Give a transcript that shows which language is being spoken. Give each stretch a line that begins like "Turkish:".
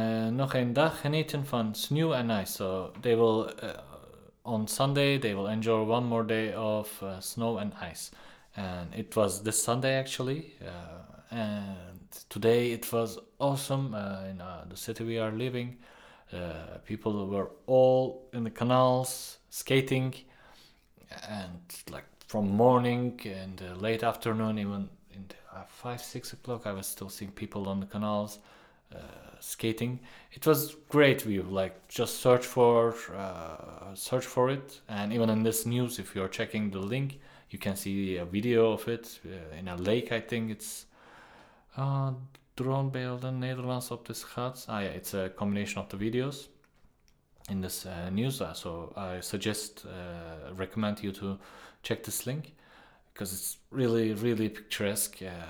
Dutch: Nog een dag genieten van sneeuw en ijs.
English: So they will, on Sunday, they will enjoy one more day of snow and ice. And it was this Sunday actually. And today it was awesome in the city we are living. People were all in the canals skating. And like from morning and late afternoon, even in 5-6 o'clock, I was still seeing people on the canals skating. It was great view, like just search for it. And even in this news, if you're checking the link, you can see a video of it in a lake. I think it's
Dutch: Droombeelden Nederlands op de schaats.
English: Ah yeah, it's a combination of the videos in this news, so I recommend you to check this link because it's really, really picturesque.